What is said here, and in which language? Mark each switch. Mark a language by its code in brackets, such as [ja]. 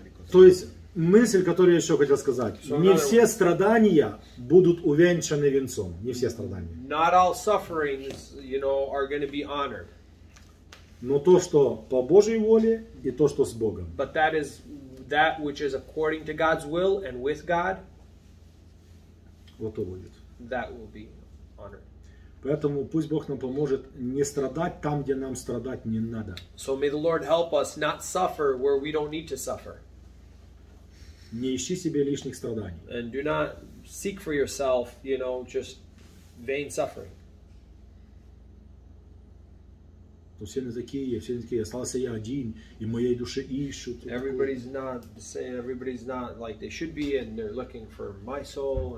[ru] То есть, мысль, которую я еще хотел сказать. Не все страдания будут увенчаны венцом. Не все страдания. [en] Not all sufferings, you know, are going to be honored. [ru] Но то, что по Божьей воле, и то, что с Богом. [en] But that is that which is according to God's will and with God. [ru] Вот то будет. [en] That will be honored. [ru] Поэтому пусть Бог нам поможет не страдать там, где нам страдать не надо. [en] So may the Lord help us not suffer where we don't need to suffer. [ru] Не ищи себе лишних страданий. [en] And do not seek for yourself, you know, just vain suffering. [ru] Все не такие, все не такие. Остался я один, и моей души ищут. [en] Everybody's not the same, everybody's not like they should be, and they're looking for my soul.